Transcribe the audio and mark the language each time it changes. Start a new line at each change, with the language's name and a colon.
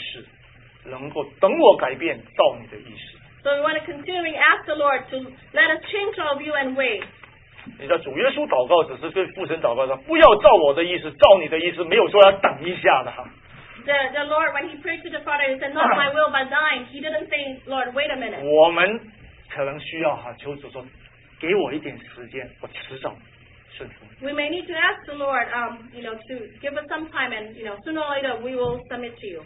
Chinese: 所以啊，我们常常求主给我们恩典，能够跟主说，不要照我的意思，能够等我改变，照你的意思。
English: So we want to continually ask the Lord to let us change our view and way.
Chinese: 你知道主耶稣祷告只是对父神祷告说，不要照我的意思，照你的意思，没有说要等一下的哈。
English: The Lord when he prayed to the Father, he said, Not my will but thine. He didn't say, Lord, wait a minute.
Chinese: 我们可能需要求主说。给我一点时间，我迟早顺服。
English: We may need to ask the Lord, to give us some time, and sooner or later we will submit to you.